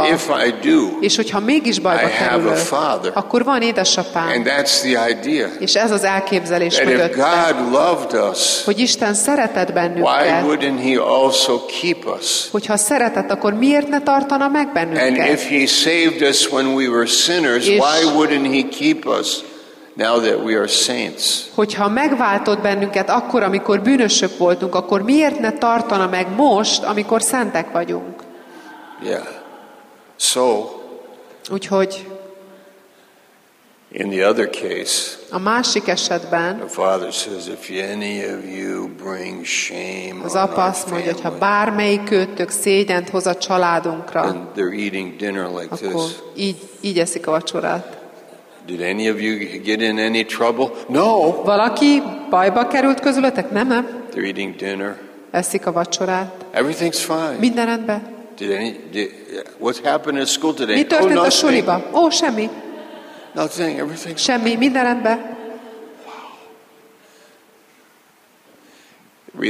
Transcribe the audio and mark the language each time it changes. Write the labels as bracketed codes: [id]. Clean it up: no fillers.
[en] Or if I do, [hu] és hogyha mégis bajba kerülök, akkor van édesapám. [en] And that's the idea. [hu] És ez az elképzelés [en] mögött. That if God loved us, [hu] hogy Isten szeretett bennünket, [en] why wouldn't he also keep us? [hu] Hogyha szeretett, akkor miért ne tartana meg bennünket? [en] And if he saved us when we were sinners, why wouldn't he keep us? Now that we are saints. [hu] Hogyha megváltott bennünket akkor, amikor bűnösök voltunk, akkor miért ne tartana meg most, amikor szentek vagyunk? [en] Yeah. So. [hu] Úgyhogy. [en] In the other case. [hu] A másik esetben. [en] The father says, if any of you bring shame. [hu] Az apa azt mondja, hogy ha bármelyikőtök szégyent hoz a családunkra. [en] And they're eating dinner like [hu] akkor [en] this. [hu] Így eszik a vacsorát. [en] Did any of you get in any trouble? No. [hu] Valaki bajba került közületek? Nem. [en] They're eating dinner. [hu] Eszik a vacsorát. [en] Everything's fine. [hu] Minden rendben. [en] What happened in school today? [hu] Mi történt a suliba? Ó, semmi. [en] Nothing. Everything. [hu] Semmi. Minden rendben. [en] Wow.